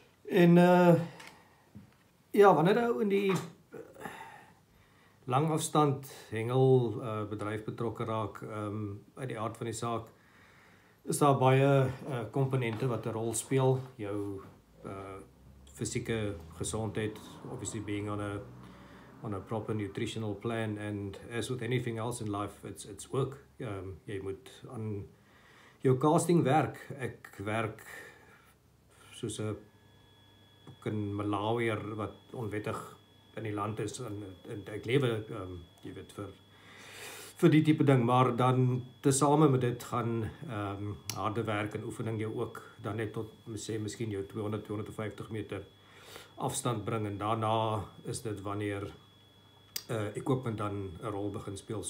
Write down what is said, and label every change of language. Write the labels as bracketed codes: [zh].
[af] En ja, wanneer ou in die langafstand hengel bedryf betrokke raak, uit die aard van die saak, is daar baie komponente wat 'n rol speel. [en] Jou fisieke gesondheid, obviously being on a proper nutritional plan, and as with anything else in life, it's work. [af] Jy moet aan jou casting werk. Ek werk soos 'n Malawier wat onwettig in die land is, en ek lewe, jy weet, vir die tipe ding, maar dan tesame met dit gaan harde werk en oefening jou ook dan net tot, sê, miskien jou 200-250 meter afstand bring, en daarna is dit wanneer equipment dan 'n rol begin speel.